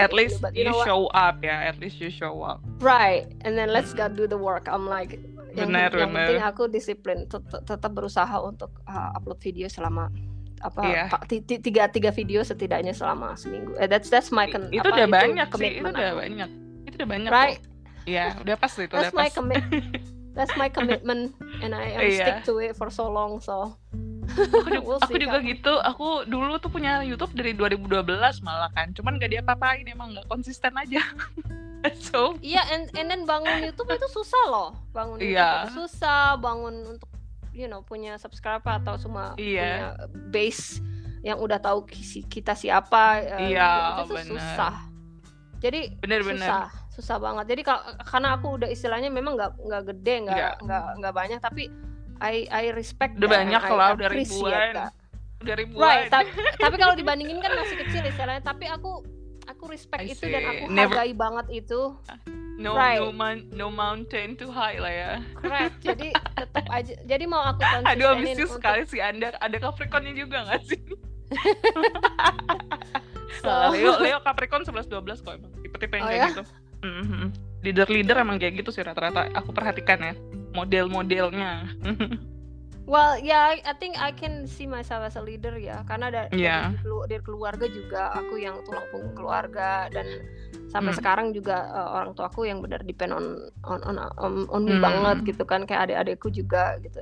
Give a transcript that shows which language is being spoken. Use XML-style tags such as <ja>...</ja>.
<en>At least but you know show up ya, at least you show up. Right, and then let's God do the work. I'm like,</en> <id>yang penting aku disiplin, tetap berusaha untuk upload video selama apa tiga video setidaknya selama seminggu.</id> <en>That's my commitment.</en> <id>Itu udah banyak sih, itu udah banyak.</id> <en>Right,</en> <id>ya udah pas itu.</id> <en>That's my commitment. That's my commitment, and I stick to it for so long, so.</en> <id>Aku juga gitu. Aku dulu tuh punya YouTube dari 2012 malah kan. Cuman gak diapa-apain, emang gak konsisten aja. So. Iya, yeah,</id> <en>and then</en> <id>bangun YouTube itu susah loh. Bangun YouTube yeah, itu susah, bangun untuk</id> <en>you know</en> <id>punya subscriber atau semua yeah, punya base yang udah tahu kita siapa. Iya, yeah, benar. Susah. Jadi bener. Susah banget. Jadi karena aku udah istilahnya memang gak gede, gak banyak, tapi</id> <en>I respect.</en> <id>Udah banyak lah, udah ribuan. Right, tapi kalau dibandingin kan masih kecil istilahnya. Tapi aku respect I itu see, dan aku never hargai banget itu.</id> <en>No right, no mountain too high lah ya.</en> <id>Correct. Jadi tetap aja. Jadi mau aku konsistenin. Aduh, ambisius untuk sekali sih Anda. Ada Capricornnya juga nggak sih? Leo Capricorn 11-12 kok emang. Tipe-tipe yang oh, kayak ya? Gitu. Mm-hmm. Leader emang kayak gitu sih rata-rata. Aku perhatikan ya, model-modelnya.</id> <en>Well, yeah, I think I can see myself as a leader ya.</en> <id>Karena dari keluarga juga aku yang tulang punggung keluarga dan sampai sekarang juga orang tuaku yang benar</id> <en>depend on me</en> <id>banget gitu kan, kayak adik-adikku juga gitu.</id>